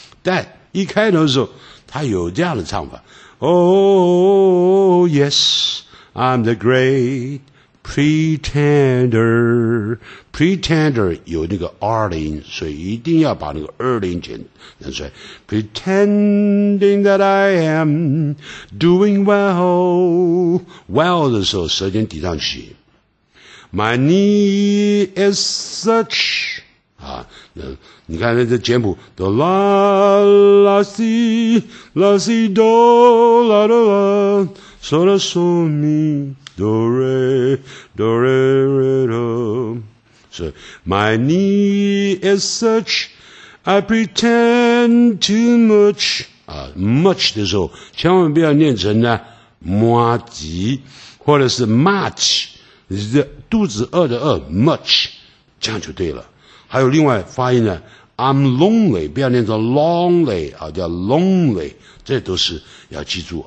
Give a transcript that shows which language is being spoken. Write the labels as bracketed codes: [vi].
[zh] 但一开头的时候，它有这样的唱法 ， [en] Oh yes。 I'm the great pretender. [zh] Pretender 有那个 R 音，所以一定要把那个 R 音剪成出来。 [en] Pretending that I am doing well [zh] 的时候，舌尖抵上去。 [en] My need is such [zh] 啊，你看这简谱 ， do la la si la si do la do la。 So la so mi do re do re re do. [en] So my knee is such, I pretend too much. [zh] Much 的时候，千万不要念成呢 much， 或者是 much， 肚子饿的饿 much， 这样就对了。还有另外发音呢 ， [en] I'm lonely， [zh] 不要念成 lonely 啊，叫 lonely， 这都是要记住。